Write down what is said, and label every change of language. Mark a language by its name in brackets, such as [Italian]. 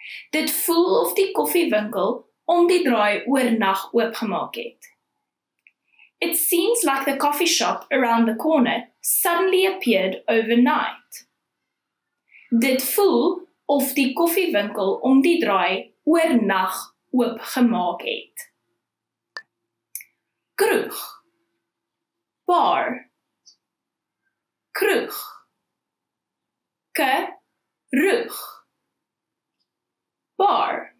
[Afrikaans] Dit voel of die koffiewinkel om die draai oornag oopgemaak het. [English] It seems like the coffee shop around the corner suddenly appeared overnight. [Afrikaans] Dit voel of die koffiewinkel om die draai oornag oopgemaak het. Kroeg. Bar. Kroeg. Kroeg. Bar.